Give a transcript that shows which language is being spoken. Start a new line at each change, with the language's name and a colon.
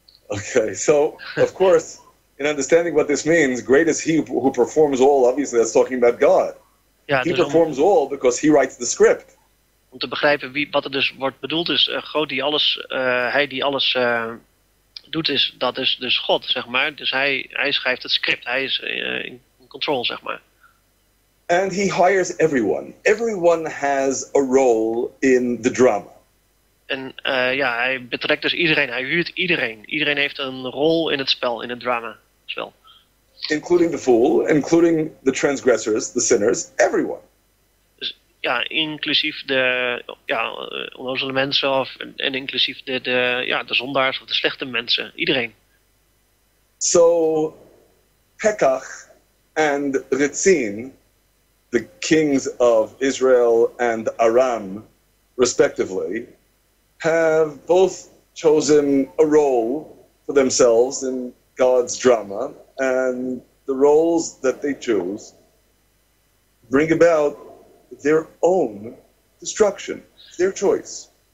English: Okay, so of course, in understanding what this means, great is he who performs all, obviously that's talking about God.
Dutch: Ja,
English: he performs all because he writes the script.
Dutch: Om te begrijpen wat er dus wordt bedoeld is, God die alles, hij die alles doet, is dat is dus God, zeg maar. Dus hij schrijft het script, hij is in control, zeg maar.
English: And he hires everyone. Everyone has a role in the drama.
Dutch: En ja, hij betrekt dus iedereen. Hij huurt iedereen. Iedereen heeft een rol in het spel, in het drama. Spel.
English: Including the fool, including the transgressors, the sinners, everyone.
Dutch: Dus, ja, inclusief de onnozele mensen of en inclusief de zondaars of de slechte mensen. Iedereen.
English: So, Pekach and Ritzin, the kings of Israel and Aram, respectively, have both chosen a role for themselves in God's drama, and the roles that they choose bring about their own destruction, their choice.